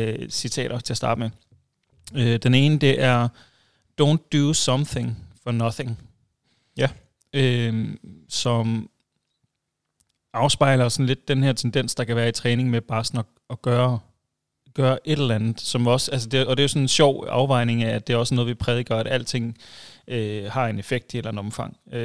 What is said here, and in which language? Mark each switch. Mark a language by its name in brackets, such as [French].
[Danish] Citater til at starte med. Den ene, det er, [English] don't do something for nothing. [Danish] Ja. Som afspejler sådan lidt den her tendens, der kan være i træning med bare sådan at gøre et eller andet, som også, altså det, og det er jo sådan en sjov afvejning af, at det er også noget, vi prædiker, at alting har en effekt i eller en omfang.